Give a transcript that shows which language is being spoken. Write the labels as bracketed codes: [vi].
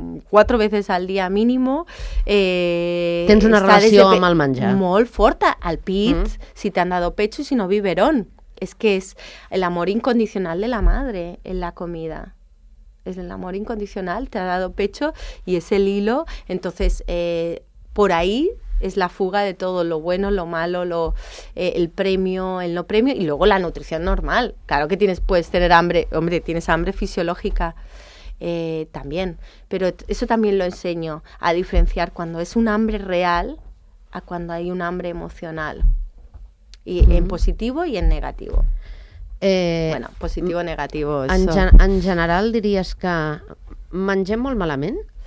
[es] cuatro veces al día mínimo [ca] tens una relació amb el menjar molt forta, al pit, [es] si te han dado pecho y si no biberón, es que es el amor incondicional de la madre en la comida, es el amor incondicional, te ha dado pecho y es el hilo, entonces por ahí es la fuga de todo, lo bueno, lo malo, el premio, el no premio, y luego la nutrición normal, claro que puedes tener hambre, hombre, tienes hambre fisiológica también, pero eso también lo enseño, a diferenciar cuando es un hambre real a cuando hay un hambre emocional y en positivo y en negativo. Bueno, positivo, negativo, eso. [ca] En general diries que mengem molt malament?